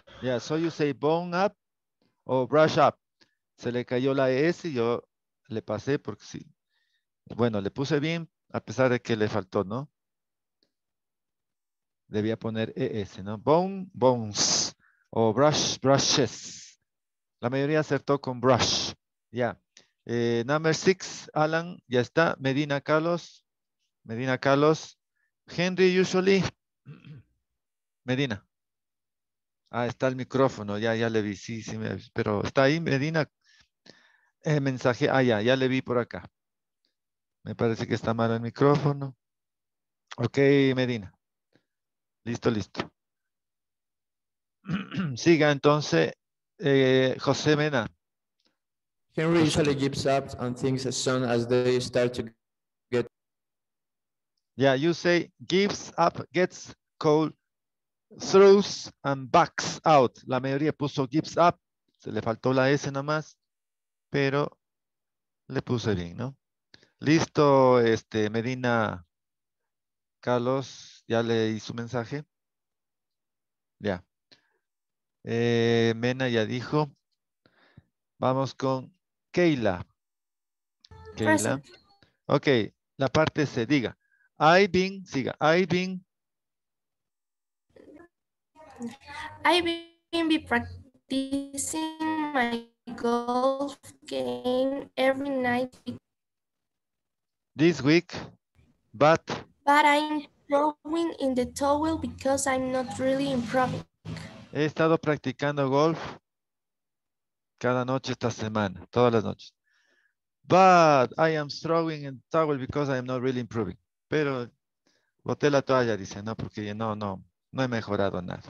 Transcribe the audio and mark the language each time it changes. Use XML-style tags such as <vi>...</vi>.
<en>Yeah, so you say bone up or brush up.</en> <es>Se le cayó la S y yo le pasé porque sí. Bueno, le puse bien a pesar de que le faltó, ¿no? Debía poner ES, ¿no? Bones. O brushes. La mayoría acertó con brush. Ya. Yeah.</es> <en>Number six, Alan.</en> <es>Ya está.</es> <en>Medina Carlos. Henry, usually. Medina.</en> <es>Ah, está el micrófono, ya le vi, sí, pero está ahí, Medina. Mensaje, ya le vi por acá. Me parece que está mal el micrófono. Ok, Medina. Listo. Siga entonces, José Mena.</es> <en>Henry usually gives up on things as soon as they start to get. Yeah, you say gives up, gets cold, throws and backs out.</en> <es>La mayoría puso</es> <en>gives up,</en> <es>se le faltó la S nomás, pero le puse bien, ¿no? Listo, Medina. Carlos, ya leí su mensaje. Ya. Mena ya dijo. Vamos con Keila. Keila. Ok, la parte se diga.</es> <en>I've been practicing my golf game every night. This week, but. But I'm throwing in the towel because I'm not really improving.</en> <es>He estado practicando golf cada noche esta semana, todas las noches.</es> <en>But I am throwing in towel because I am not really improving.</en> <es>Pero boté la toalla, dice, no, porque no he mejorado nada.</es>